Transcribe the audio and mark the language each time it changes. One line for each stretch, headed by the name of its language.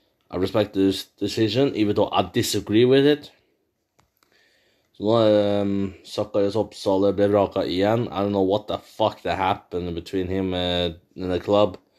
English: I respect this decision, even though I disagree with it.
Norwegian: Så nå er Zacharias Oppsale ble vraket igjen.
English: I don't know what the fuck that happened between him and the club.